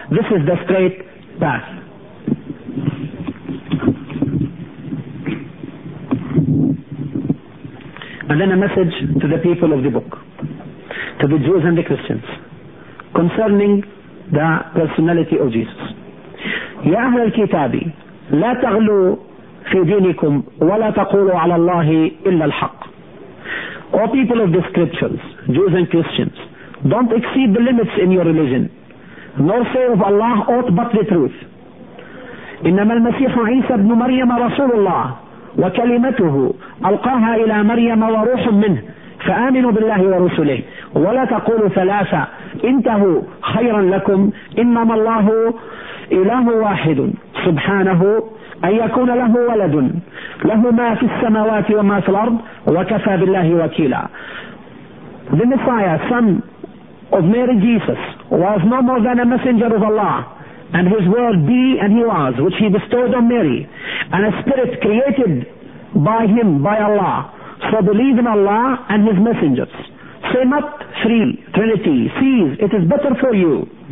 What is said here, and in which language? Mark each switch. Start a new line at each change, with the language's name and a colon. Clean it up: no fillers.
English: This is the straight path. And then a message to the people of the book, to the Jews and the Christians, concerning the personality of Jesus.
Arabic: يا أهل الكتاب لا تغلوا في دينكم ولا تقولوا على الله إلا الحق.
English: O people of the scriptures, Jews and Christians, don't exceed the limits in your religion, nor say of Allah aught but the truth.
Arabic: إنما المسيح عيسى بن مريم رسول الله وكلمته ألقاها إلى مريم وروح منه فآمنوا بالله ورسله ولا تقولوا ثلاثة انتهوا خيرا لكم إنما الله إله واحد سبحانه أن يكون له ولد له ما في السماوات وما في الأرض وكفى بالله وكيلا.
English: The Messiah, son of Mary Jesus, was no more than a messenger of Allah, and his word be and he was, which he bestowed on Mary, and a spirit created by him, by Allah. So believe in Allah and his messengers. Say not three, Trinity, cease, it is better for you.